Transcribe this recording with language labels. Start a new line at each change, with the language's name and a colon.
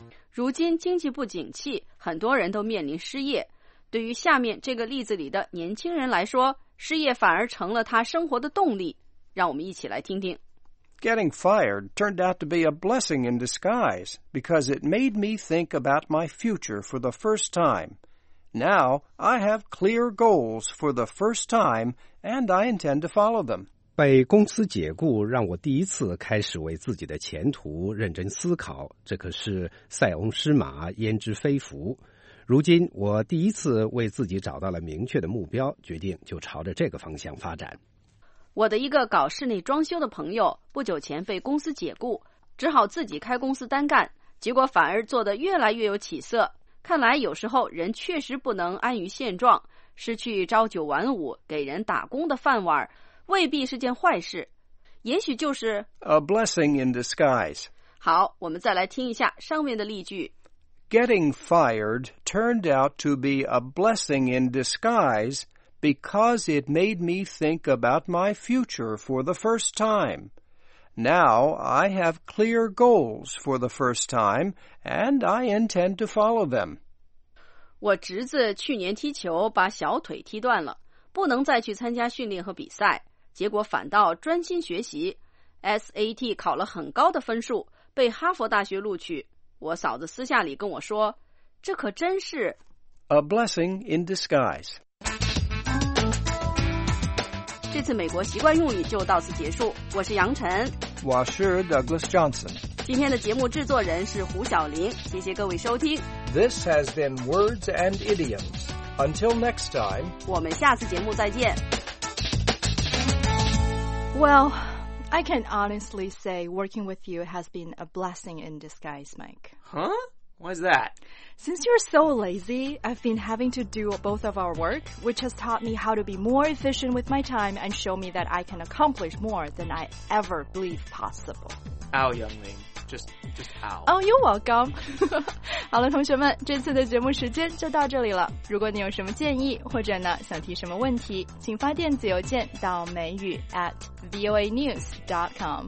Chinese: 如今经济不景气，很多人都面临失业。对于下面这个例子里的年轻人来说，失业反而成了他生活的动力。让我们一起来听听。
English: Getting fired turned out to be a blessing in disguise because it made me think about my future for the first time. Now, I have clear goals for the first time and I intend to follow them.
Chinese: 被公司解雇让我第一次开始为自己的前途认真思考，这可是塞翁失马焉知非福。如今我第一次为自己找到了明确的目标，决定就朝着这个方向发展。我的一个搞室内装修的朋友不久前被公司解雇，只好自己开公司单干，结果反而做得越来越有起色。看来有时候人确实不能安于现状，失去朝九晚五给人打工的饭碗未必是件坏事，也许就是
English: A blessing in disguise。
Chinese: 好，我们再来听一下上面的例句。
English: Getting fired turned out to be a blessing in disguise because it made me think about my future for the first time. Now I have clear goals for the first time and I intend to follow them.
Chinese: 我侄子去年踢球把小腿踢断了，不能再去参加训练和比赛，结果反倒专心学习， SAT 考了很高的分数，被哈佛大学录取。我嫂子私下里跟我说，这可真是
English: A blessing in disguise。
Chinese: 这次美国习惯用语就到此结束，我是杨晨，我是 Douglas Johnson。今天的节目制作人是胡晓玲，谢谢各位收听。
English: This has been Words and Idioms. Until next time，
Chinese: 我们下次节目再见。
English: Well，I can honestly say working with you has been a blessing in disguise, Mike. Huh? Why's that? Since you're so lazy, I've been having to do both of our work, which has taught me how to be more efficient with my time and show me that I can accomplish more than I ever believed possible. Ow, Young Ling. Just ow. Oh, you're welcome.
Chinese: 好了，同学们，这次的节目时间就到这里了。如果你有什么建议，或者呢想提什么问题，请发电子邮件到美语 @voanews.com.